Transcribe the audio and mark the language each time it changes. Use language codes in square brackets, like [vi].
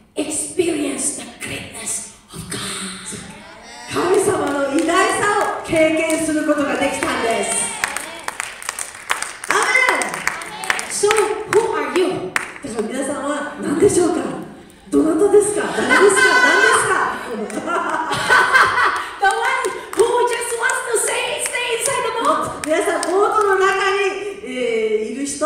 [en] experienced the greatness. [ja] 神様の偉大さを経験することができたんです。アメン。 [en] So who are you? [ja] だから皆さんは何でしょうか。どなたですか。誰ですか。何ですか。 [en] The one who just wants to stay inside the boat。 [ja] 皆さんボートの中に、いる人。